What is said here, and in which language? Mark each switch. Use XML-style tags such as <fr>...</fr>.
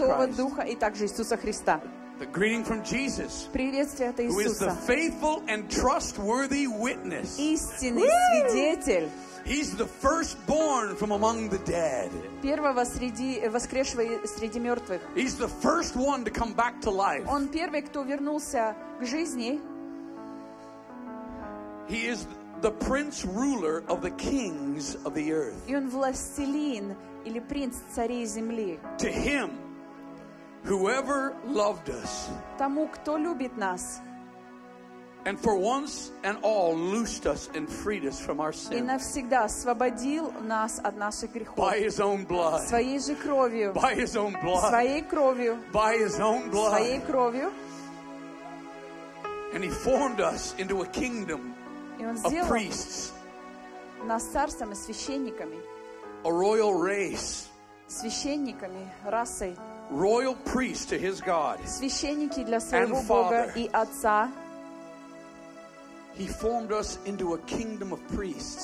<ru>И Святого Духа, и также Иисуса Христа.</ru> <en>The greeting from Jesus.</en> <ru>Приветствие от Иисуса.</ru> <en>Who is the faithful and trustworthy witness.</en> <ru>Истинный свидетель.</ru> <en>He's the firstborn from among the dead.</en> <ru>Первого среди воскресшего среди мертвых.</ru> <en>He's the first one to come back to life.</en> <ru>Он первый, кто вернулся к жизни.</ru> <en>He is the prince ruler of the kings of the earth.</en> <ru>И он властелин. Или принц царей земли.</ru> <en>To him, whoever loved us,</en> <ru>тому, кто любит нас,</ru> <en>and for once and all loosed us and freed us from our sins,</en> <ru>и навсегда освободил нас от наших грехов,</ru> <en>by his own blood,</en> <ru>своей же кровью,</ru> <en>by his own blood,</en> <ru>своей кровью,</ru> <en>by his own blood,</en> <ru>своей кровью,</ru> <en>and he formed us into a kingdom of priests,</en> <ru>нас царством и священниками.</ru> <en>A royal race.</en> <ru>Священниками, расой.</ru> <en>Royal priests to his God.</en> <ru>Священники для своего Бога и Отца.</ru> <en>He formed us into a kingdom of priests.</en>